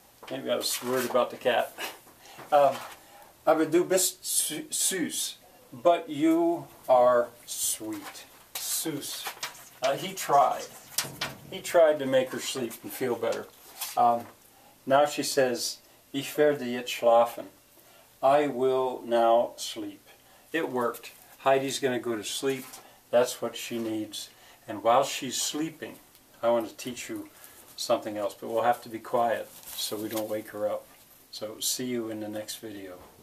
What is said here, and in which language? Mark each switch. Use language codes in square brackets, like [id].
[en] Maybe I was worried about the cat. [de] Aber du bist süß. [en] But you are sweet. Süß. He tried. He tried to make her sleep and feel better. Now she says, [de] ich werde jetzt schlafen. [en] I will now sleep. It worked. Heidi's going to go to sleep. That's what she needs. And while she's sleeping, I want to teach you something else. But we'll have to be quiet so we don't wake her up. So see you in the next video.